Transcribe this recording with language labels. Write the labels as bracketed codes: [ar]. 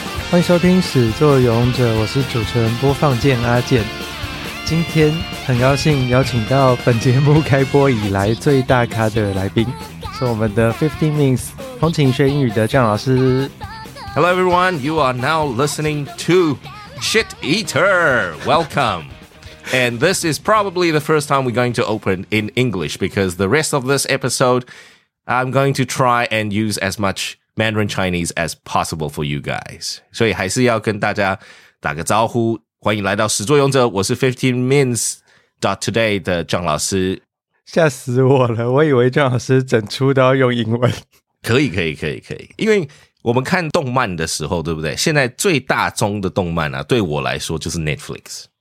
[zh] 欢迎收听《始作俑者》，我是主持人播放键阿健。今天很高兴邀请到本节目开播以来最大咖的来宾，是我们的 15 Minutes 风琴学英语的江老师。 [en] Hello everyone, you are now listening to Shit Eater. Welcome. And this is probably the first time we're going to open in English because the rest of this episode, I'm going to try and use as much Mandarin Chinese as possible for you guys. [zh] 所以还是要跟大家打个招呼，欢迎来到始作俑者，我是 15min.today 的张老师。吓死我了，我以为张老师整出都要用英文。可以，因为我们看动漫的时候，对不对？现在最大宗的动漫啊，对我来说就是 Netflix。